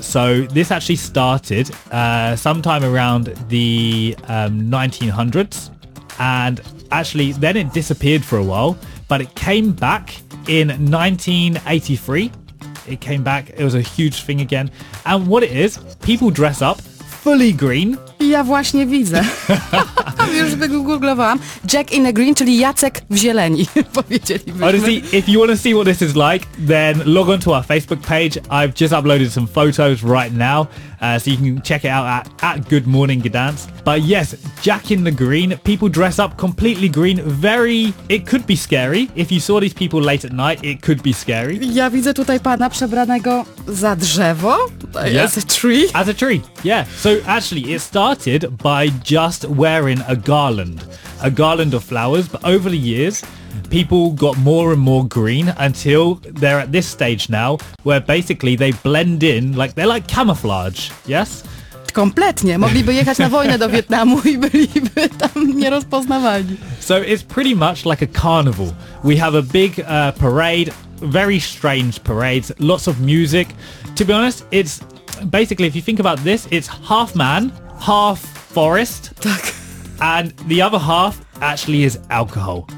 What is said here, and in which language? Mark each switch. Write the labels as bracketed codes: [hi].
[en] So this actually started sometime around the 1900s. And actually, then it disappeared for a while. But it came back in 1983. It came back. It was a huge thing again. And what it is, people dress up fully green. [pl] Ja właśnie widzę. Już wygooglowałam. Jack in the Green, czyli Jacek w zieleni, powiedzielibyśmy. [en] Honestly, if you want to see what this is like, then log on to our Facebook page. I've just uploaded some photos right now, so you can check it out at Good Morning Gdansk. But yes, Jack in the Green, people dress up completely green. It could be scary. If you saw these people late at night, it could be scary. [pl] Ja widzę tutaj pana przebranego za drzewo. [en] Yeah. As a tree. As a tree, yeah. So actually, it started by just wearing a garland of flowers, but over the years, people got more and more green until they're at this stage now, where basically they blend in, like they're like camouflage, yes? [pl] Kompletnie, mogliby jechać na wojnę do Wietnamu i byliby tam nierozpoznawani. [en] So it's pretty much like a carnival. We have a big parade, very strange parades, lots of music. To be honest, it's basically, if you think about this, it's half man, half forest. [pl] Tak. [en] And the other half actually is alcohol.